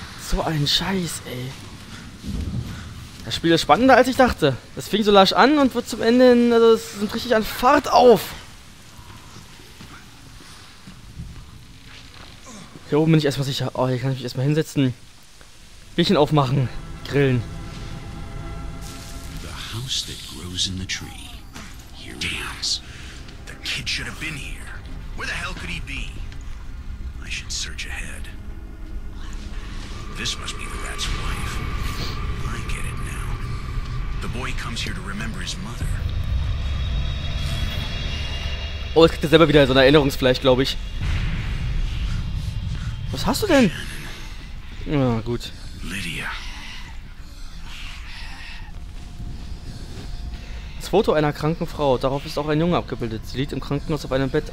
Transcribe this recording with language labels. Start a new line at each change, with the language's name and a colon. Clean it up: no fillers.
German: So ein Scheiß, ey. Das Spiel ist spannender, als ich dachte. Das fing so lasch an und wird zum Ende hin, also es nimmt richtig an Fahrt auf. Hier oben bin ich erstmal sicher. Oh, hier kann ich mich erstmal hinsetzen. Bierchen aufmachen. Grillen.
English: The house that grows in the tree. Here he is. The kid should have been here. Where the hell could he be? I should search ahead. This must be the rat's wife. I get it now. The boy comes here to remember his mother.
German: Oh, jetzt kriegt er selber wieder so eine Erinnerungsflash, glaube ich. Was hast du denn? Ja, gut. Lydia. Das Foto einer kranken Frau. Darauf ist auch ein Junge abgebildet. Sie liegt im Krankenhaus auf einem Bett.